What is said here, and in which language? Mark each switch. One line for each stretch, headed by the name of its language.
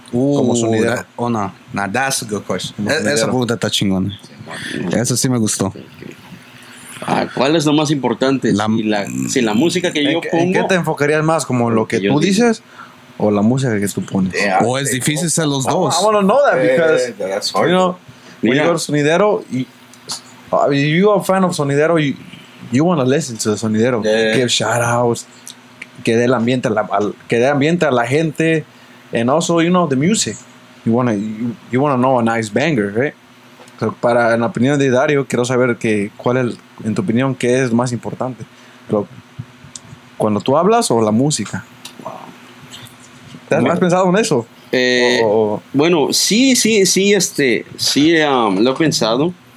Spanish: Como sonidero.
English: No, that's a good question.
Spanish: Esa pregunta está chingona. Eso sí me gustó. Ah, ¿cuál es lo más importante? Si la música que yo pongo. ¿En qué te enfocarías más? ¿Como lo que tú dices o la música que tú pones? Yeah, ¿o es difícil ser los dos?
English: I want to know that because, that's hard. You know, when you go to sonidero, you are a fan of sonidero, you want to listen to the sonidero. Yeah. Give shout outs.
Spanish: Que dé el ambiente a la gente.
English: And also, you know, the music. You want to know a nice banger, right?
Spanish: Para en la opinión de Dario, quiero saber que cuál es, en tu opinión, qué es más importante. ¿Cuando tú hablas o la música? ¿Te has más pensado en eso? Bueno, sí, sí, lo he pensado.